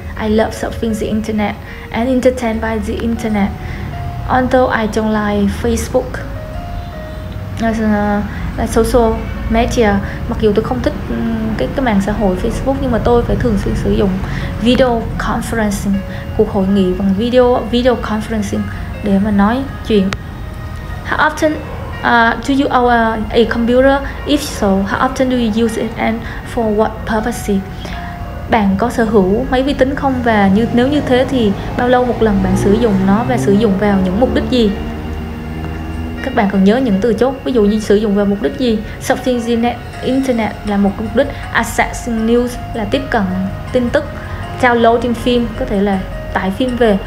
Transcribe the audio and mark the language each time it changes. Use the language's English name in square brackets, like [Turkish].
[English] I love surfing the internet and entertained by the internet. Although I don't like Facebook as a social media. [Vietnamese] Mặc dù tôi không thích cái mạng xã hội Facebook, nhưng mà tôi phải thường xuyên sử dụng video conferencing, cuộc hội nghị bằng video conferencing để mà nói chuyện. [English] How often do you own a computer? If so, how often do you use it and for what purpose? [Vietnamese] Bạn có sở hữu máy vi tính không? Và như nếu như thế thì bao lâu một lần bạn sử dụng nó và sử dụng vào những mục đích gì? Các bạn cần nhớ những từ chốt. Ví dụ như sử dụng vào mục đích gì? [English] Surfing the internet [Vietnamese] là một mục đích. [English] Accessing news [Vietnamese] là tiếp cận tin tức. Downloading phim có thể là tải phim về.